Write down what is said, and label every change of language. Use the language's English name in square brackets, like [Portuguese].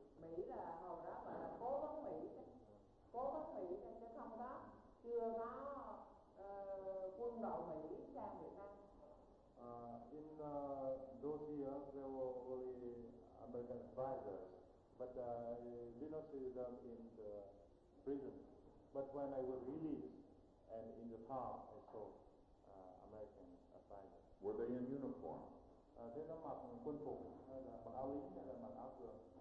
[Vietnamese] Mỹ là hồi đó mà là cố vấn Mỹ. Cố vấn Mỹ nên chứ không có, chưa có quân đội Mỹ sang Việt Nam. [English] In those years, there were only American advisors, but I did not see them in the prison. But when I was released and in the town, I saw American advisors. Were they in uniform? They were [Vietnamese] mặc quân phục, hay là mặc áo lính, hay là mặc áo thường.